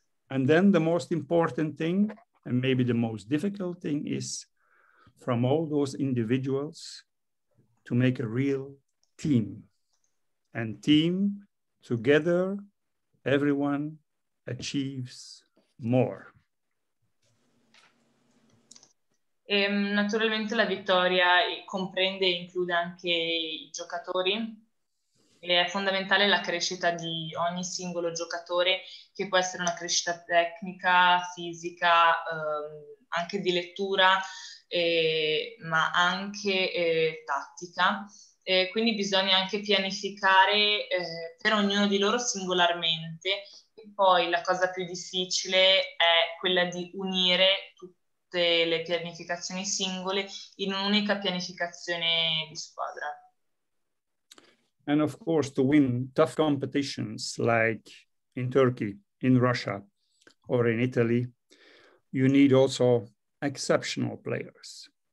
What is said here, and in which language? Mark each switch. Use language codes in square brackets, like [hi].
[en] And then the most important thing, and maybe the most difficult thing, is from all those individuals to make a real team. And team together, everyone achieves more. [it] Naturalmente la vittoria comprende e include anche i giocatori. È fondamentale la crescita di ogni singolo giocatore, che può essere una crescita tecnica, fisica, anche di lettura, ma anche tattica. Quindi bisogna anche pianificare per ognuno di loro singolarmente. E poi la cosa più difficile è quella di unire tutte le pianificazioni singole in un'unica pianificazione di squadra. [en] And of course to win tough competitions like in Turkey, in Russia or in Italy, you need also exceptional players.